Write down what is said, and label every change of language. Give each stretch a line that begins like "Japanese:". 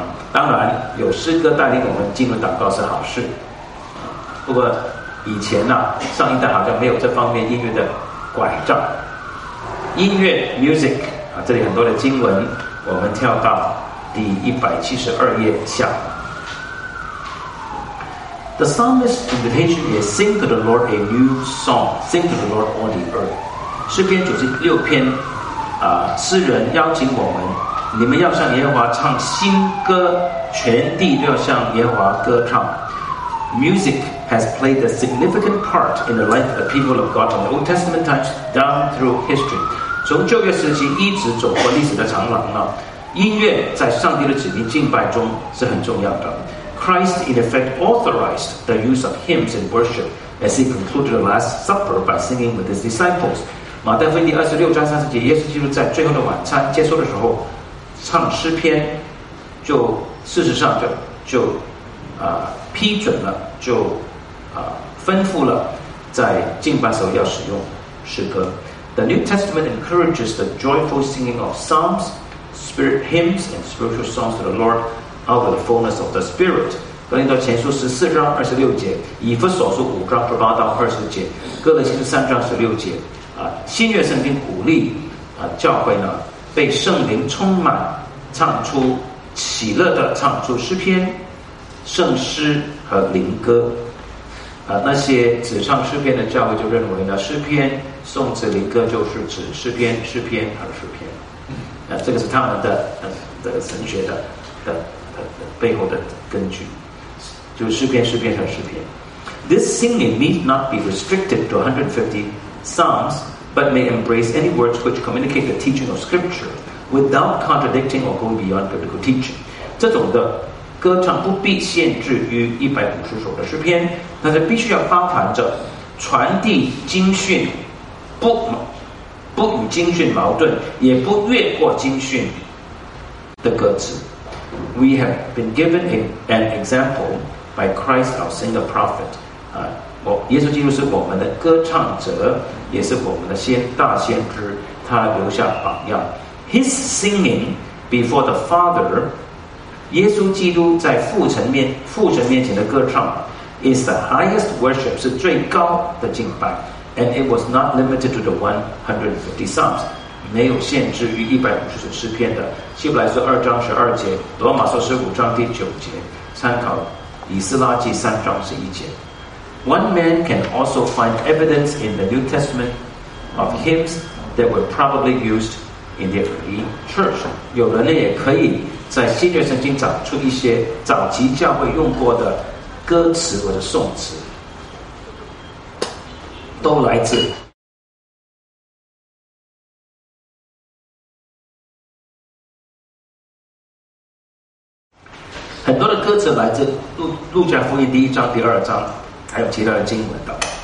Chinese: 当然有诗歌带领我们进入祷告是好事，不过以前呢，上一代好像没有这方面音乐的拐杖。音乐 music 这里很多的经文，我们跳到第172页下。
English: The psalmist's invitation is sing to the Lord a new song, sing to the Lord all the earth.
Chinese: 诗篇96篇诗人邀请我们，你们要向耶和华唱新歌，全地都要向耶和华歌唱。
English: Music has played a significant part in the life of the people of God from the Old Testament times down through history.
Chinese: 从旧约时期一直走过历史的长廊啊，音乐在上帝的子民敬拜中是很重要的。
English: Christ in effect authorized the use of hymns in worship as he concluded the Last Supper by singing with his disciples.
Chinese: 马太福音第26章30节，耶稣基督在最后的晚餐结束的时候唱诗篇，就事实上就批准了，就吩咐了，在敬拜时候要使用诗歌。
English: The New Testament encourages the joyful singing of psalms, spirit hymns, and spiritual songs to the Lord out of the fullness of the Spirit.
Chinese: 格林多前书14:26，以弗所书5:8-20，哥罗西书3:16，新约圣经鼓励教会呢，被圣灵充满，唱出喜乐的唱出诗篇、圣诗和灵歌。那些只唱诗篇的教会就认为呢，诗篇、颂词、灵歌就是指诗篇、诗篇和诗篇。这个是他们的神学的背后的根据，就是诗篇、诗篇和诗篇。
English: This singing need not be restricted to 150 psalms. But may embrace any words which communicate the teaching of Scripture without contradicting or going beyond biblical teaching.
Chinese: 这种的歌唱不必限制于150首的诗篇，但是必须要包含着传递经训，不与经训矛盾，也不越过经训的歌词。
English: We have been given an example by Christ, our single prophet.
Chinese: 耶稣基督是我们的歌唱者，也是我们的大先知，他留下榜样。
English: His singing before the Father,
Chinese: 耶稣基督在父神面前的歌唱
English: is the highest worship,
Chinese: 是最高的敬拜。
English: And it was not limited to the 150 psalms,
Chinese: 没有限制于150首诗篇的。希伯来书2:12，罗马书15:9，参考以斯拉记3:11。
English: One man can also find evidence in the New Testament of hymns that were probably used in the early church.
Chinese: 有人呢也可以在新约圣经找出一些早期教会用过的歌词或者颂词。都来自很多的歌词来自路加福音第一章第二章还有其他的经文的。